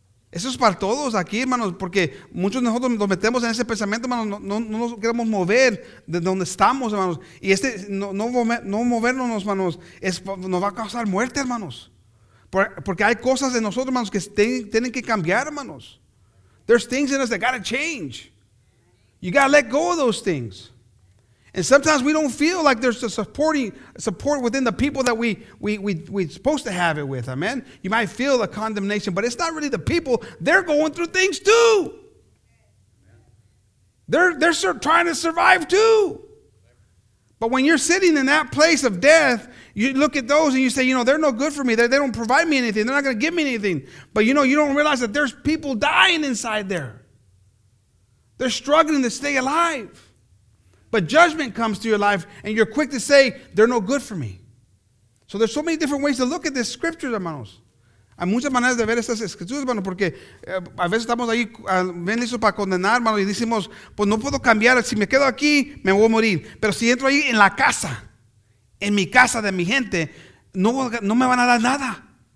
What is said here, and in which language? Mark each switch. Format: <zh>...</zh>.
<es>Eso es para todos aquí, hermanos, porque muchos de nosotros nos metemos en ese pensamiento, hermanos, no nos queremos mover de donde estamos, hermanos. Y este, no movernos, hermanos, nos va a causar muerte, hermanos. Porque hay cosas en nosotros, hermanos, que tienen que cambiar, hermanos.</es> <en>There's things in us that gotta change. You gotta let go of those things. And sometimes we don't feel like there's a support within the people that we're supposed to have it with. Amen. You might feel a condemnation, but it's not really the people. They're going through things too. They're trying to survive too. But when you're sitting in that place of death, you look at those and you say, you know, they're no good for me. They don't provide me anything. They're not going to give me anything. But you know, you don't realize that there's people dying inside there. They're struggling to stay alive. But judgment comes to your life, and you're quick to say, they're no good for me. So there's so many different ways to look at this scripture, hermanos.</en> <es>Hay muchas maneras de ver estas escrituras, hermanos, porque a veces estamos ahí bien listos para condenar, hermanos, y decimos, pues no puedo cambiar. Si me quedo aquí, me voy a morir. Pero si entro ahí en la casa, en mi casa de mi gente, no me van a dar nada.</es>